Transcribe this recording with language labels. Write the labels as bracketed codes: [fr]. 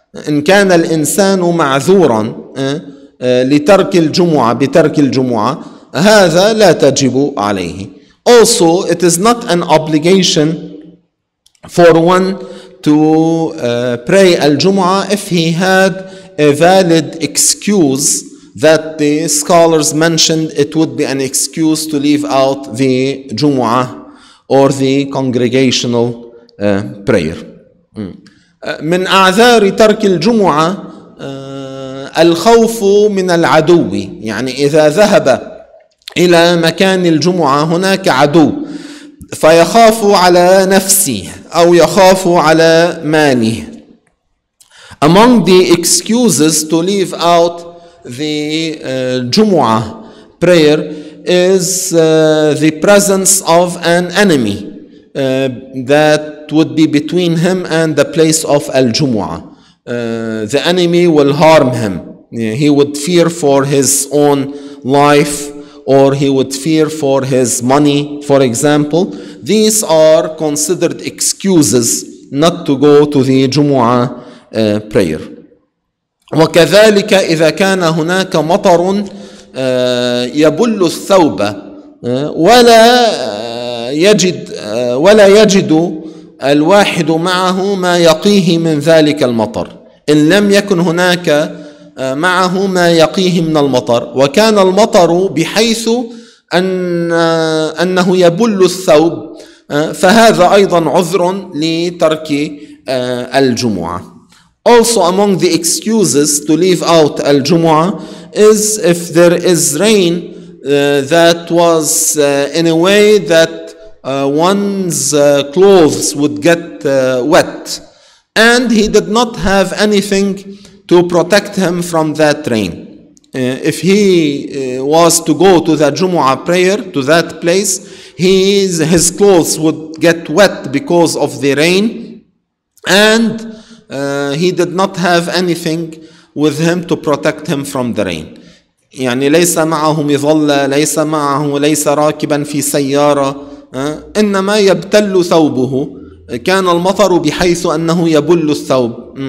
[ar] إن كان الإنسان معذورا لترك الجمعة بترك الجمعة هذا لا تجب عليه. [en] Also, it is not an obligation for one to pray al-Jumu'ah if he had a valid excuse that the scholars mentioned it would be an excuse to leave out the Jumu'ah or the congregational prayer. [ar] من أعذار ترك الجمعة الخوف من العدو. يعني إذا ذهب إلى مكان الجمعة هناك عدو فيخاف على نفسه أو يخاف على ماله. [en] Among the excuses to leave out the Jumu'ah prayer is the presence of an enemy that would be between him and the place of al-Jumu'ah. The enemy will harm him. He would fear for his own life, or he would fear for his money, for example. These are considered excuses not to go to the Jumu'ah prayer. [ar] وكذلك إذا كان هناك مطر يبل الثوب ولا يجد ولا يجد الواحد معه ما يقيه من ذلك المطر. إن لم يكن هناك معه ما يقيه من المطر وكان المطر بحيث أنه يبل الثوب فهذا أيضا عذر لترك الجمعة. [en] Also among the excuses to leave out al-Jumu'ah is if there is rain that was in a way that one's clothes would get wet and he did not have anything to protect him from that rain. If he was to go to the Jumu'ah prayer to that place, his clothes would get wet because of the rain and he did not have anything with him to protect him from the rain. [ar] يعني ليس معه مظلة، ليس معه، ليس راكبا في سيارة، إنما يبتل ثوبه. كان المطر بحيث أنه يبل الثوب.